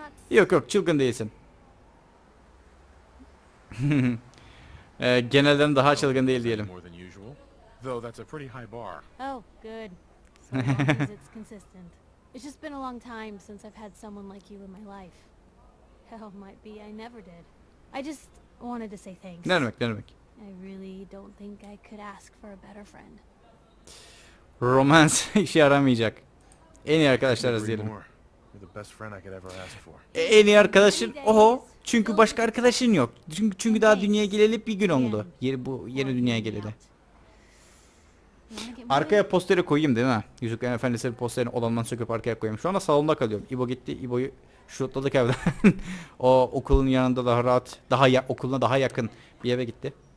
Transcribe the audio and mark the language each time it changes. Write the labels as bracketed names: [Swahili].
[Turkish] Yok yok, çılgın değilsin. genelden daha çılgın değil diyelim. [English] Though that's a pretty high bar. Oh, good. So long as it's consistent. It's just been a long time since I've had someone like you in my life. Hell, might be I never did. I just wanted to say thanks. [Turkish] Ne demek, ne demek? [English] I really don't think I could ask for a better friend. [Turkish] Romance işe yaramayacak. En iyi arkadaşlarız diyelim. [English] You're the best friend I could ever ask for. [Turkish] En iyi arkadaşın, oho. Çünkü başka arkadaşın yok. Çünkü daha dünyaya geleli bir gün oldu. Yeni dünyaya geleli. Arkaya posteri koyayım değil mi? Yüzüklerin Efendisi'nin posterini olandan söküp arkaya koyayım. Şu anda salonda kalıyorum. İbo gitti. İbo'yu şutladık evden. O okulun yanında daha rahat, daha ya, okuluna daha yakın bir eve gitti.